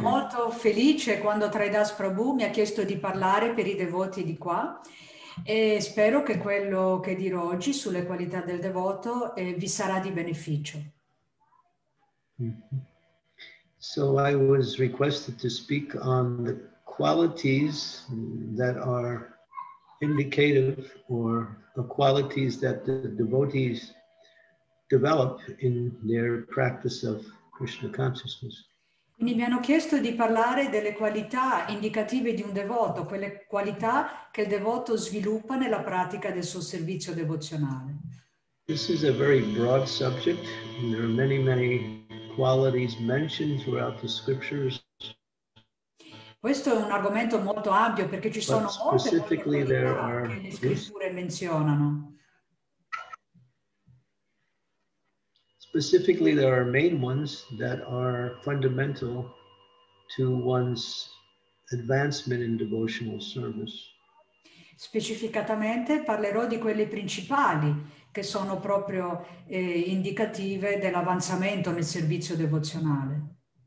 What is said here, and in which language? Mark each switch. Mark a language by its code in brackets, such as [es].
[it] Molto felice quando Tridas Prabhu mi ha chiesto di parlare per i devoti di qua e spero che quello che dirò oggi sulle qualità del devoto vi sarà di beneficio. [en] So I was requested to speak on the qualities that are indicative or the qualities that the devotees develop in their practice of Krishna consciousness. [it] Quindi mi hanno chiesto di parlare delle qualità indicative di un devoto, quelle qualità che il devoto sviluppa nella pratica del suo servizio devozionale. [en] This is a very broad subject, and there are many, many qualities mentioned throughout the scriptures. [it] Questo è un argomento molto ampio perché ci sono molte qualità che le scritture menzionano. [en] Specifically, there are main ones that are fundamental to one's advancement in devotional service. [it] Specificatamente, parlerò di quelle principali che sono proprio indicative dell'avanzamento nel servizio devozionale.